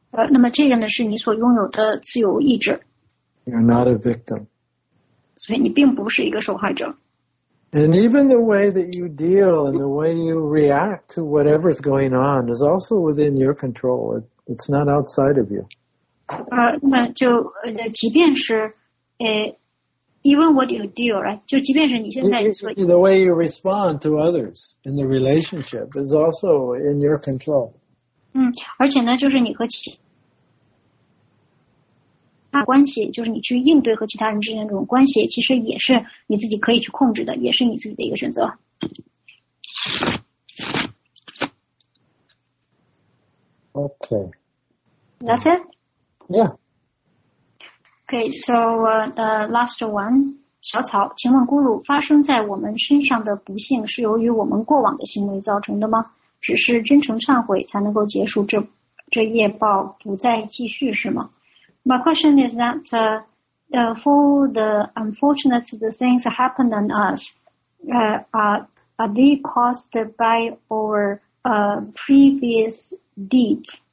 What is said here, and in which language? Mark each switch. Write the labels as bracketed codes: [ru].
[zh] 那么这个呢是你所拥有的自由意志 [en] You're not a victim [zh] 所以你并不是一个受害者 [en] And even the way that you deal and the way you react to whatever is going on is also within your control It's not outside of you. [zh] 那就即便是 [en] Even what you do, right? [zh] 就即便是你现在说 [en] The way you respond to others in the relationship is also in your control. [zh] 嗯，而且呢，就是你和其他关系，就是你去应对和其他人之间的这种关系，其实也是你自己可以去控制的，也是你自己的一个选择。 [en] Okay. That's it? Yeah. Okay, so the last one, [zh] 小草，请问咕噜，发生在我们身上的不幸是由于我们过往的行为造成的吗？只是真诚忏悔才能够结束这业报，不再继续是吗？ [en] My question is that for the unfortunate the things that happened on us, are they caused by our previous deeds?